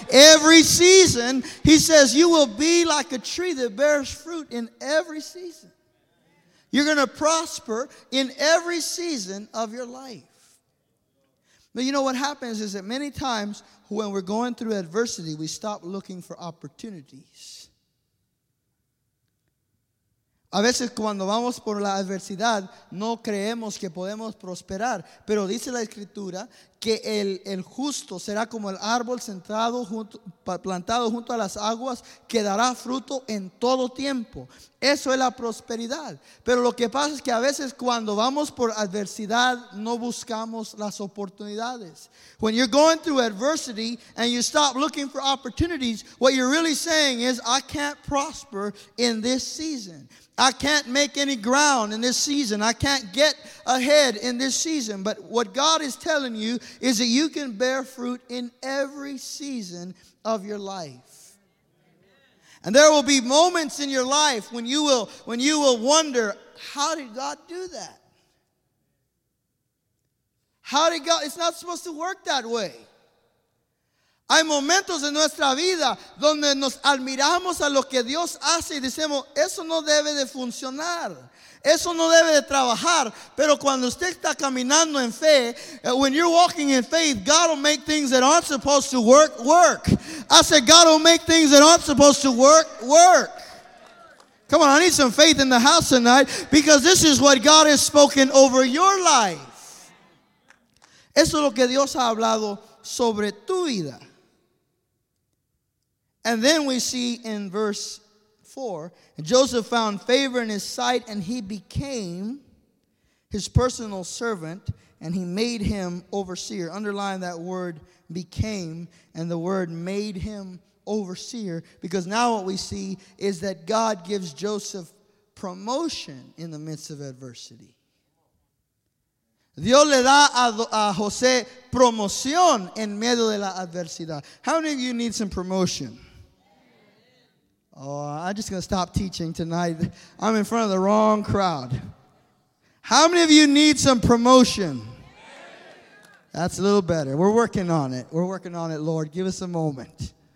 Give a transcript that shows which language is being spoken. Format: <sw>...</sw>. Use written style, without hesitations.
<en>Every season, he says, you will be like a tree that bears fruit in every season. You're going to prosper in every season of your life. But you know what happens is that many times when we're going through adversity, we stop looking for opportunities.</en> <es>A veces cuando vamos por la adversidad, no creemos que podemos prosperar. Pero dice la Escritura que el justo será como el árbol plantado junto a las aguas que dará fruto en todo tiempo. Eso es la prosperidad. Pero lo que pasa es que a veces cuando vamos por adversidad, no buscamos las oportunidades.</es> <en>When you're going through adversity and you stop looking for opportunities, what you're really saying is, I can't prosper in this season. I can't make any ground in this season. I can't get ahead in this season. But what God is telling you is that you can bear fruit in every season of your life. And there will be moments in your life when you will wonder, how did God do that? How did God? It's not supposed to work that way.</en> <es>Hay momentos en nuestra vida donde nos admiramos a lo que Dios hace y decimos, eso no debe de funcionar. Eso no debe de trabajar. Pero cuando usted está caminando en fe,</es> <en>when you're walking in faith, God will make things that aren't supposed to work, work. I said, God will make things that aren't supposed to work, work. Come on, I need some faith in the house tonight, because this is what God has spoken over your life.</en> <es>Eso es lo que Dios ha hablado sobre tu vida.</es> <en>And then we see in verse 4, Joseph found favor in his sight, and he became his personal servant, and he made him overseer. Underline that word became and the word made him overseer, because now what we see is that God gives Joseph promotion in the midst of adversity.</en> <es>Dios le da a José promoción en medio de la adversidad.</es> <en>How many of you need some promotion? Oh, I'm just going to stop teaching tonight. I'm in front of the wrong crowd. How many of you need some promotion? That's a little better. We're working on it. We're working on it, Lord. Give us a moment.</en>